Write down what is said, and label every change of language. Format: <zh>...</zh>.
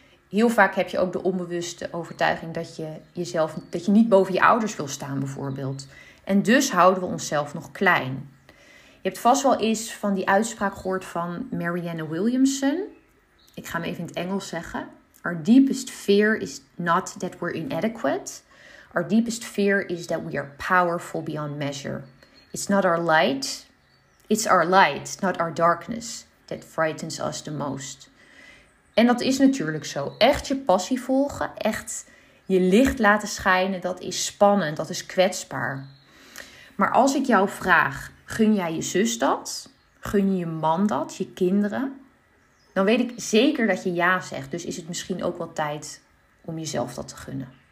<nl>Heel vaak heb je ook de onbewuste overtuiging dat je jezelf, dat je niet boven je ouders wil staan bijvoorbeeld. En dus houden we onszelf nog klein. Je hebt vast wel eens van die uitspraak gehoord van Marianne Williamson. Ik ga hem even in het Engels zeggen.</nl> <en>Our deepest fear is not that we're inadequate. Our deepest fear is that we are powerful beyond measure. It's not our light. It's our light, not our darkness, that frightens us the most.</en> <nl>En dat is natuurlijk zo. Echt je passie volgen, echt je licht laten schijnen, dat is spannend, dat is kwetsbaar. Maar als ik jou vraag, gun jij je zus dat? Gun je je man dat? Je kinderen? Dan weet ik zeker dat je ja zegt. Dus is het misschien ook wel tijd om jezelf dat te gunnen.</nl>